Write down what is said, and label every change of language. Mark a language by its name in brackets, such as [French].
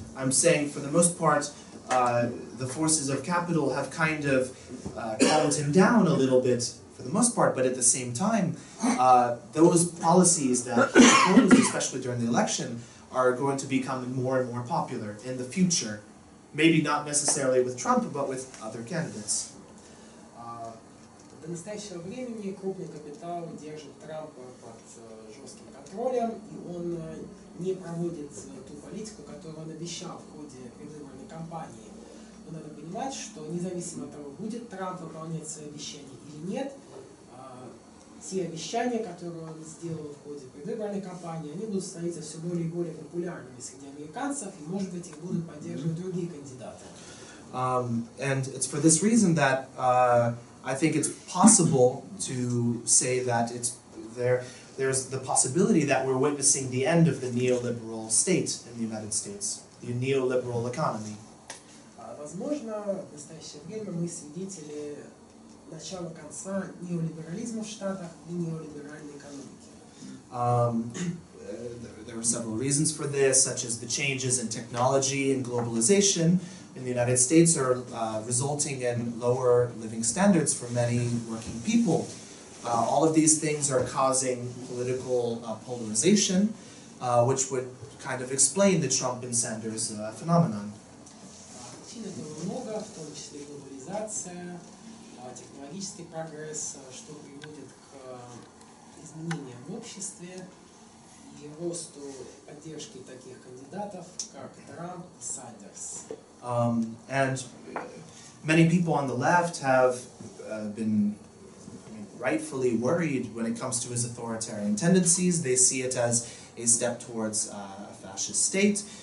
[English] I'm saying for the most part, the forces of capital have kind of calmed him down a little bit for the most part, but at the same time, those policies that he proposed, especially during the election, are going to become more and more popular in the future. Maybe not necessarily with Trump, but with other candidates. [Russian] До настоящего времени крупный капитал держит Трампа под жестким контролем, и он не проводит ту политику, которую он обещал в ходе предвыборной кампании. Но надо понимать, что независимо от того, будет Трамп выполнять свои обещания или нет, те обещания, которые он сделал в ходе предвыборной кампании, они будут становиться все более и более популярными среди американцев, и, может быть, их будут поддерживать другие кандидаты. [English] And it's for this reason that I think it's possible to say that there's the possibility that we're witnessing the end of the neoliberal state in the United States, the neoliberal economy. [Russian] Возможно, в настоящее время мы свидетели начало конца неолиберализма в Штатах и неолиберальной экономики. [English] There are several reasons for this, such as the changes in technology and globalization in the United States are resulting in lower living standards for many working people. All of these things are causing political polarization, which would kind of explain the Trump and Sanders phenomenon. [Russian] Причин этого много, в том числе глобализация, технологический прогресс, что приводит к изменениям в обществе и росту поддержки таких кандидатов, как Трамп и Сандерс. [English] And many people on the left have been rightfully worried when it comes to his authoritarian tendencies. They see it as a step towards a fascist state.